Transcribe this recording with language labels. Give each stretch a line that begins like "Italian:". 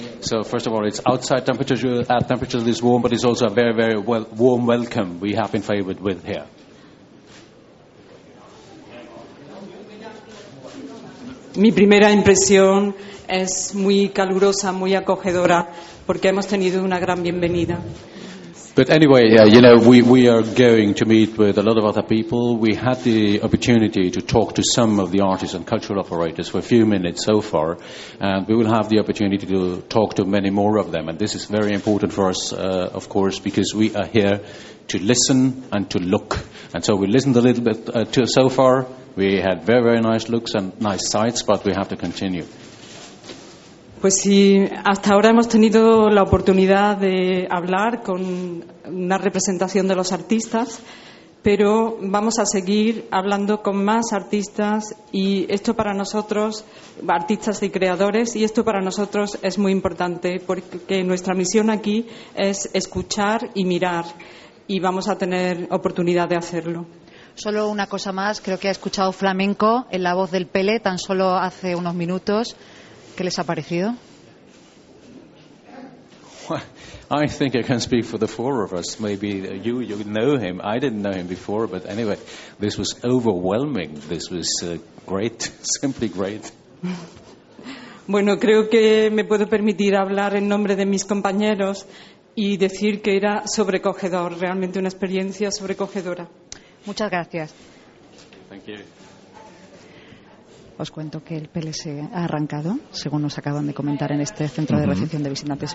English: So first of all, it's outside temperature, at temperature this warm, but it's also a very very warm welcome we have been favored with here.
Spanish: Mi primera impresión es muy calurosa, muy acogedora, porque hemos tenido una gran bienvenida.
English: But anyway, you know, we are going to meet with a lot of other people. We had the opportunity to talk to some of the artists and cultural operators for a few minutes so far, and we will have the opportunity to talk to many more of them. And this is very important for us, of course, because we are here to listen and to look. And so we listened a little bit to so far. We had very, very nice looks and nice sights, but we have to continue.
Spanish: Pues sí, hasta ahora hemos tenido la oportunidad de hablar con una representación de los artistas, pero vamos a seguir hablando con más artistas y esto para nosotros, artistas y creadores, y esto para nosotros es muy importante porque nuestra misión aquí es escuchar y mirar y vamos a tener oportunidad de hacerlo. Solo una cosa más, creo que ha escuchado flamenco en la voz del Pele tan solo hace unos minutos. ¿Qué les ha parecido?
English: I think I can speak for the four of us. Maybe you know him. I didn't know him before, but anyway, this was overwhelming. This was great, simply great.
Spanish: Bueno, creo que me puedo permitir hablar en nombre de mis compañeros y decir que era sobrecogedor, realmente una experiencia sobrecogedora. Muchas gracias.
English: Thank you.
Spanish: Os cuento que el PLS ha arrancado, según nos acaban de comentar en este centro de recepción de visitantes.